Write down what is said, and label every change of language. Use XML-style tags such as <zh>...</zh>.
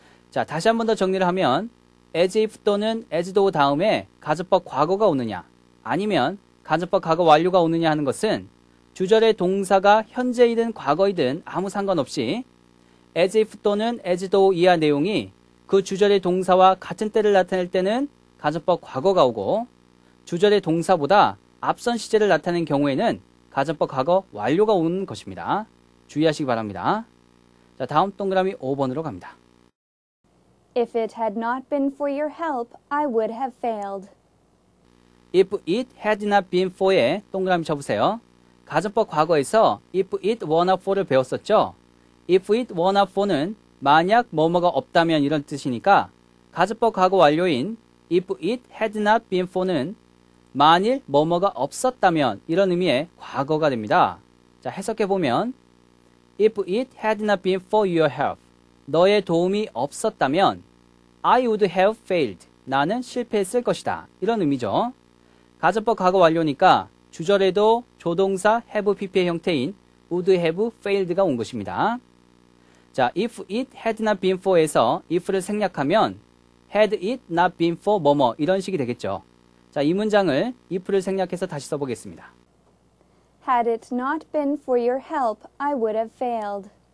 <ko>자, 다시 한번 더 정리를 하면 as if 또는 as though 다음에 가정법 과거가 오느냐 아니면 가정법 과거 완료가 오느냐 하는 것은 주절의 동사가 현재이든 과거이든 아무 상관없이 as if 또는 as though 이하 내용이 그 주절의 동사와 같은 때를 나타낼 때는 가정법 과거가 오고 주절의 동사보다 앞선 시제를 나타낸 경우에는 가정법 과거 완료가 오는 것입니다. 주의하시기 바랍니다. 자, 다음 동그라미 5번으로 갑니다.</ko> <en>If it had not been for your help, I would have failed.</en> <ko>If it had not been for에 동그라미 쳐보세요. 가정법 과거에서 if it were not for를 배웠었죠. If it were not for는 만약 뭐뭐가 없다면 이런 뜻이니까 가정법 과거 완료인 if it had not been for는 만일 뭐뭐가 없었다면 이런 의미의 과거가 됩니다. 자, 해석해보면</ko> <en>If it had not been for your help,</en> <ko>너의 도움이 없었다면</ko> <en>I would have failed,</en> <ko>나는 실패했을 것이다. 이런 의미죠. 가정법 과거 완료니까 주절에도 조동사 have PP의 형태인 would have failed가 온 것입니다. 자, if it had not been for에서 if를 생략하면 had it not been for 뭐뭐 이런 식이 되겠죠. 자, 이 문장을 if를 생략해서 다시 써보겠습니다.</ko> <en>Had it not been for your help, I would have failed.</en>